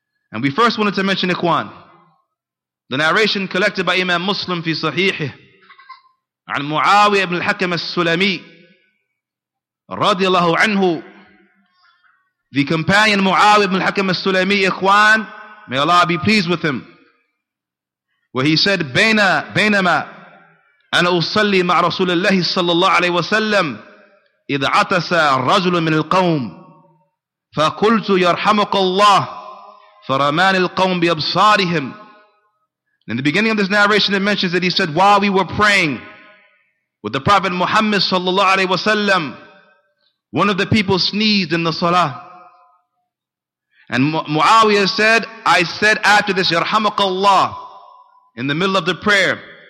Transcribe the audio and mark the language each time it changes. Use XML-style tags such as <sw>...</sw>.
<en>And we first wanted to mention ikhwan, the narration collected by Imam Muslim fi Sahihih,</en> <ar>عن معاوية بن الحكم السلمي رضي الله عنه.</ar> <en>The companion Mu'awiyah ibn al-Hakam al-Sulaymi, Ikhwan, may Allah be pleased with him. Where he said,</en> <ar>بينما أنا أصلي مع رسول الله صلى الله عليه وسلم إذ عطس رجل من القوم فقلت يرحمك الله فرمان القوم بأبصارهم.</ar> <en>In the beginning of this narration, it mentions that he said, while we were praying with the Prophet Muhammad sallallahu alayhi wa sallam, one of the people sneezed in the salah. And Muawiyah said, I said after this, Yarhamakallah, in the middle of the prayer.</en>